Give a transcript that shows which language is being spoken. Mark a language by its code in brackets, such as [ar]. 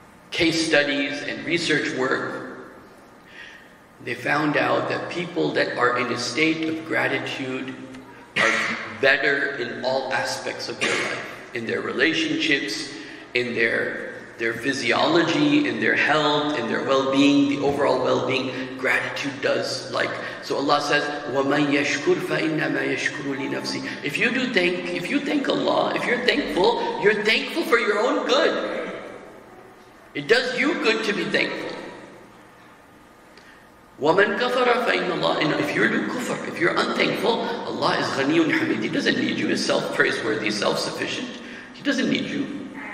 [en] case studies and research work, they found out that people that are in a state of gratitude are better in all aspects of their life, in their relationships, in their physiology, in their health, in their well-being, the overall well-being, gratitude does like. [ar] So Allah says, وَمَنْ يَشْكُرْ فَإِنَّمَا يَشْكُرُ لِنَفْسِهِ. [en] If you thank Allah, if you're thankful, you're thankful for your own good. It does you good to be thankful. [ar] وَمَنْ كَفَرَ فَإِنَّ اللَّهِ. [en] And if you're doing kufr, if you're unthankful, Allah is غَنِيٌّ حَمِيدٌ. He doesn't need you. He's self-praiseworthy, self-sufficient. He doesn't need you.